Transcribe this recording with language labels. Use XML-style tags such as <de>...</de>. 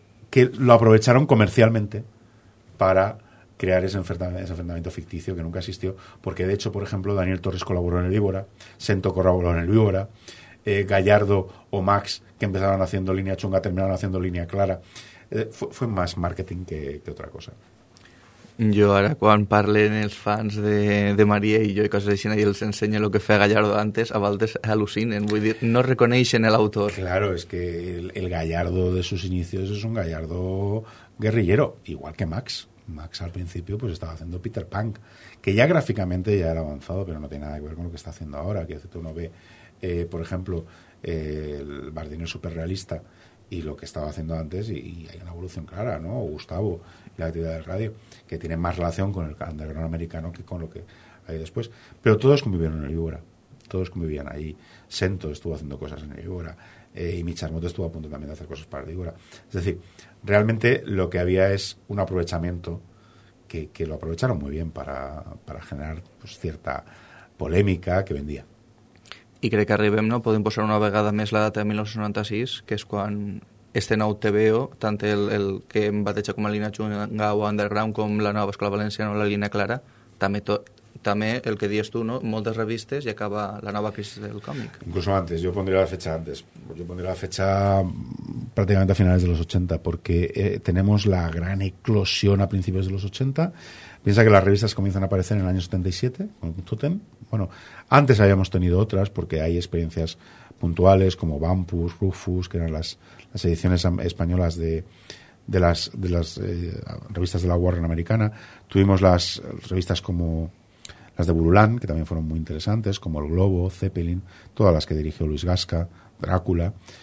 <es>Que lo aprovecharon comercialmente para crear ese enfrentamiento ficticio que nunca existió, porque de hecho, por ejemplo, Daniel Torres colaboró en el Víbora, Sento colaboró en el Víbora, Gallardo o Max, que empezaron haciendo línea chunga, terminaron haciendo línea clara. Fue más marketing que otra cosa.</es> <ca>Jo ara quan parlen els fans de Maria i jo i coses així i els ensenyo el que feia Gallardo antes, a vegades al·lucinen, vull dir, no reconeixen l'autor.</ca> <es>Claro, és que el Gallardo de sus inicios és un Gallardo guerrillero, igual que Max. Max al principio pues estaba haciendo Peter Punk, que ya gráficamente ya era avanzado, pero no tiene nada que ver con lo que está haciendo ahora. Que hace, tú no ve, por ejemplo, el Bardino superrealista y lo que estaba haciendo antes, y hay una evolución clara, ¿no? O Gustavo, la actividad de radio, que tiene más relación con el underground americano que con lo que hay después. Pero todos convivieron en el Víbora, todos convivían ahí. Sento estuvo haciendo cosas en el Víbora, y Micharmoto estuvo a punto también de hacer cosas para el Víbora. Es decir, realmente lo que había es un aprovechamiento que lo aprovecharon muy bien para generar pues, cierta polémica que vendía.</es> <ca>I crec que arribem, no? Podem posar una vegada més la data de 1996, que és quan este nou TVO, tant el que em bateja com a línia chunga o underground, com la nova Escola Valenciana o la línia clara, també el que dius tu, no? Moltes revistes i acaba la nova crisi del còmic.</ca> <es>Incluso antes, jo pondré la fecha antes. Jo pondré la fecha pràcticament a finales de los 80, perquè tenemos la gran eclosió a principis de los 80. Piensa que las revistas comienzan a aparecer en el año 77, con Totem. Bueno, antes habíamos tenido otras, porque hay experiencias puntuales como Vampus, Rufus, que eran las ediciones españolas de las revistas de la Warren americana. Tuvimos las revistas como las de Burulán, que también fueron muy interesantes, como El Globo, Zeppelin, todas las que dirigió Luis Gasca, Drácula.</es>